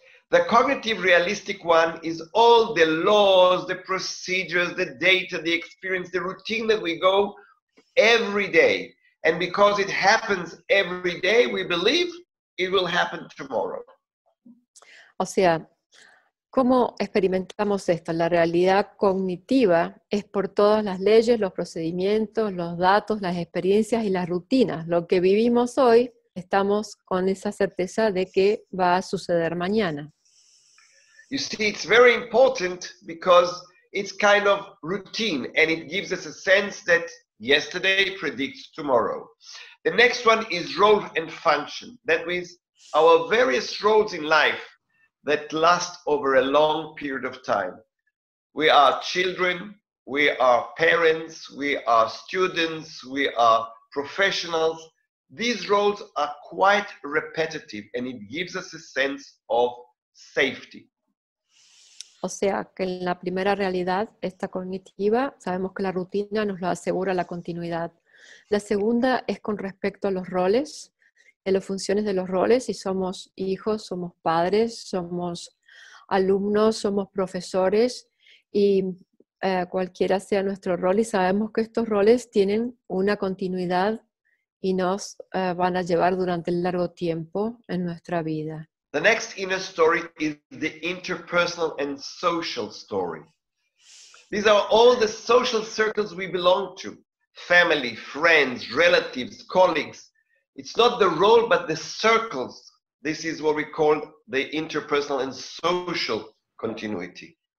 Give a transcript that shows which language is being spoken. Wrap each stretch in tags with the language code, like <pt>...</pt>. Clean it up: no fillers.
<en>The cognitive realistic one is all the laws, the procedures, the data, the experience, the routine that we go every day. And because it happens every day, we believe it will happen tomorrow.</en> <es>O sea, ¿cómo experimentamos esto? La realidad cognitiva es por todas las leyes, los procedimientos, los datos, las experiencias y las rutinas. Lo que vivimos hoy, estamos con esa certeza de que va a suceder mañana.</es> <en>You see, it's very important because it's kind of routine and it gives us a sense that yesterday predicts tomorrow. The next one is role and function. That means our various roles in life that last over a long period of time. We are children, we are parents, we are students, we are professionals. These roles are quite repetitive and it gives us a sense of safety.</en> <es>O sea, que en la primera realidad, esta cognitiva, sabemos que la rutina nos lo asegura la continuidad. La segunda es con respecto a los roles, en las funciones de los roles, si somos hijos, somos padres, somos alumnos, somos profesores, y cualquiera sea nuestro rol, y sabemos que estos roles tienen una continuidad y nos van a llevar durante el largo tiempo en nuestra vida.</es> <en>The next inner story is the interpersonal and social story. These are all the social circles we belong to. Family, friends, relatives, colleagues. It's not the role, but the circles. This is what we call the interpersonal and social continuity.</en>